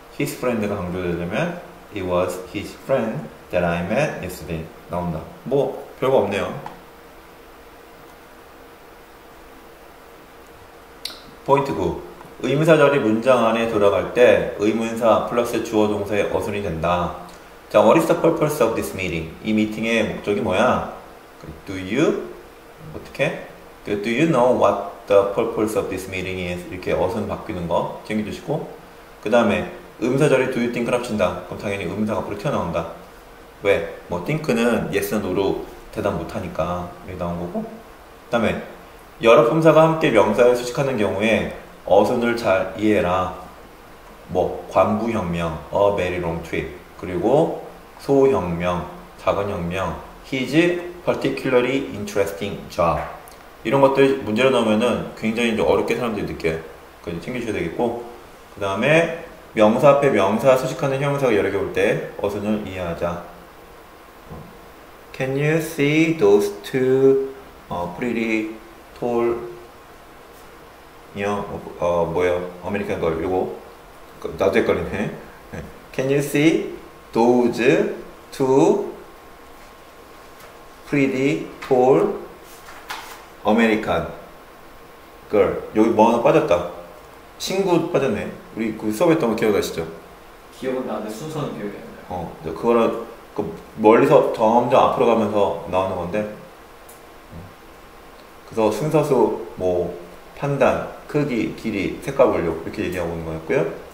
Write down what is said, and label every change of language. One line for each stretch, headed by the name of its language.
English: His friend가
Korean: 강조되려면
English: it was his friend that I met yesterday
Korean: 나온다. 뭐 별거 없네요. 포인트 9. 의문사절이 문장 안에 들어갈 때 의문사 플러스 주어 동사의 어순이 된다.
English: 자, what is the purpose of this meeting?
Korean: 이 미팅의 목적이 뭐야?
English: Do you?
Korean: 어떻게?
English: Do you know what the purpose of this meeting is?
Korean: 이렇게 어순 바뀌는 거 챙겨주시고. 그 다음에 의문사절이
English: do you think
Korean: 을 합친다. 그럼 당연히 의문사가 앞으로 튀어나온다. 왜? 뭐 think는
English: yes or no
Korean: 로 대답 못하니까 여기 나온 거고. 그 다음에 여러 품사가 함께 명사에 수식하는 경우에 어순을 잘 이해해라. 뭐 관부혁명,
English: a very long trip,
Korean: 그리고 소혁명, 작은혁명,
English: his particularly interesting job.
Korean: 이런 것들 문제로 넣으면은 굉장히 이제 어렵게 사람들이 느껴요. 그래서 챙겨주셔야 되겠고. 그 다음에 명사 앞에 명사 수식하는 형용사가 여러 개 올 때 어순을 이해하자.
English: Can you see those two pretty tall young,
Korean: 뭐야,
English: American girl,
Korean: 요거. 나도 헷갈리네.
English: Can you see those two pretty tall American girl?
Korean: 여기 뭐 하나 빠졌다. 친구 빠졌네. 우리 그 수업했던 거 기억하시죠? 기억은 나는데 순서는 기억이 안 나요. 그거랑 그 멀리서 점점 앞으로 가면서 나오는 건데, 그래서 순서수 뭐 판단, 크기, 길이, 색깔 완료 이렇게 얘기하고 있는 거였고요.